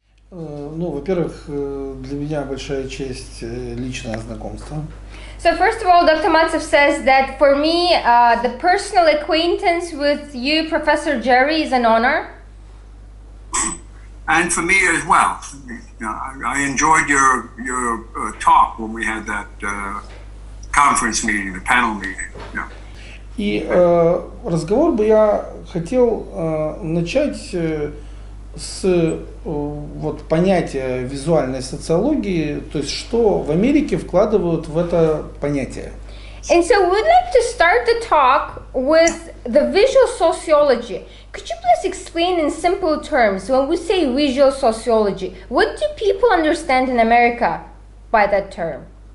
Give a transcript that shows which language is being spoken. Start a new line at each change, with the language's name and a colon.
Russian: Ну, во-первых, для меня большая честь личное знакомство.
English: So first of all, Dr. Maltsev says that for me, the personal acquaintance with you, Professor Jerry, is an honor. And for me as well. I enjoyed your talk when we had that conference meeting, the panel meeting. Yeah.
Russian: И разговор бы я хотел начать с вот понятия визуальной социологии, то есть что в Америке вкладывают в это понятие.
English: And so we'd like to start the talk with the visual sociology. Could you please explain in simple terms, when we say visual sociology, what do people understand in America by that term?